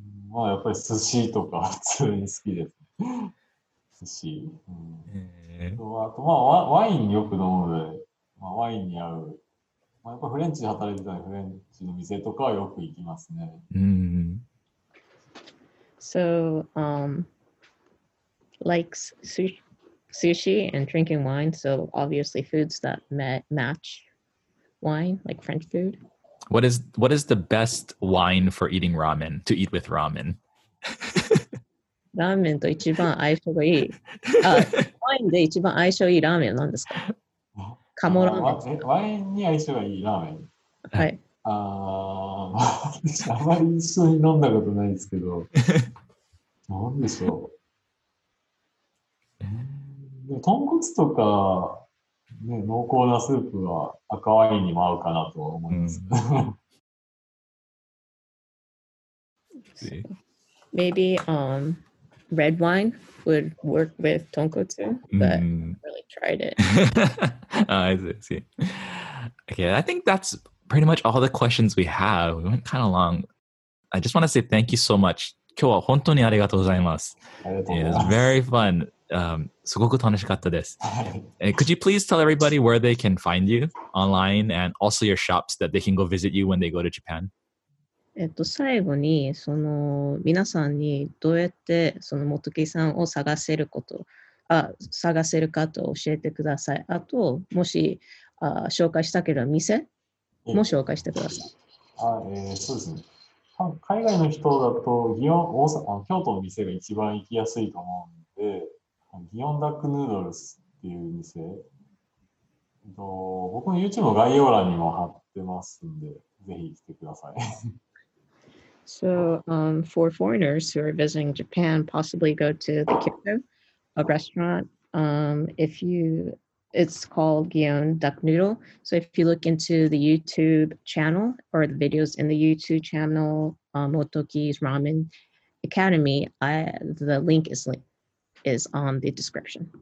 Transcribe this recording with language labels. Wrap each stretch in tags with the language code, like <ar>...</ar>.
<ja>まあやっぱり寿司とか普通に好きです。寿司。うん、あとまあワインよく飲むので、まあ、ワインに合う。まあ、やっぱフレンチで働いてたり、フレンチの店とかはよく行きますね。うん。</ja> <en>So, likes sushi and drinking wine, so obviously foods that match wine, like French food. What is the best wine for eating ramen, to eat with ramen?</en> <ja>Ramen と一番相性がいい。ワインで一番相性いいラーメンは何ですか？カモラーメン。ワインに相性がいいラーメン。はい。あまり一緒に飲んだことないですけど、何でしょう。でも豚骨とか、ね、濃厚なスープは赤ワインにも合うかなと思います。うん、</ja> <en>Maybe red wine would work with 豚骨, but、mm-hmm. really tried it. I see. Okay, I think that's. Pretty much all the questions we have. We went kind of long. I just want to say thank you so much.</en> <ja>今日は本当にありがとうございます。</ja> <en>It was very fun.</en> <ja>すごく楽しかったです。</ja> <en>Could you please tell everybody where they can find you online and also your shops that they can go visit you when they go to Japan?</en> <ja>最後にその皆さんにどうやってその元木さんを探せること、探せるかと教えてください。あと、もし、紹介したければ店も紹介してください。そうですね。海外の人だと京都の店が一番行きやすいと思うんで、ギヨンダックヌードルスっていう店、僕の YouTube の概要欄にも貼ってますんで、ぜひ来てください。</ja> <en>So, for foreigners who are visiting Japan, possibly go to the Kyoto, a restaurant. If youIt's called Gion Duck Noodle. So if you look into the YouTube channel or the videos in the YouTube channel, Motoki's Ramen Academy, the link is on the description.</en>